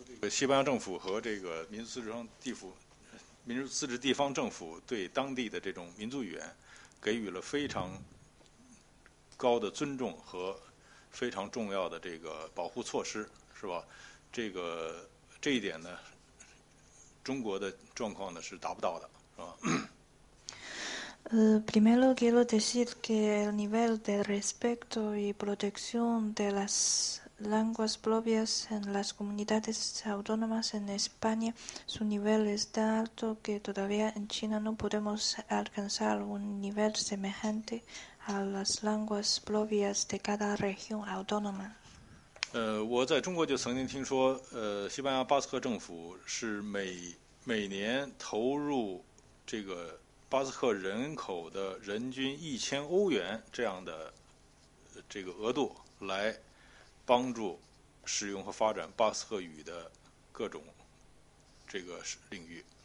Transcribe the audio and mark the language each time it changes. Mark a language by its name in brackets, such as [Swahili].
[Chinese] 西班牙政府和这个民族自治地府。民族自治地方政府对当地的这种民族语言给予了非常高的尊重和非常重要的这个保护措施，是吧？这一点呢，中国的状况呢是达不到的，是吧？ [Spanish] Primero quiero decir que el nivel de respeto y protección de las lenguas propias en las comunidades autónomas en España, su nivel es tan alto que todavía en China no podemos alcanzar un nivel semejante a las lenguas propias de cada región autónoma. [Chinese] 我在中国就曾经听说，西班牙巴斯克政府是每年投入这个巴斯克人口的人均1000欧元这样的这个额度来帮助使用和发展巴斯克语的各种这个领域。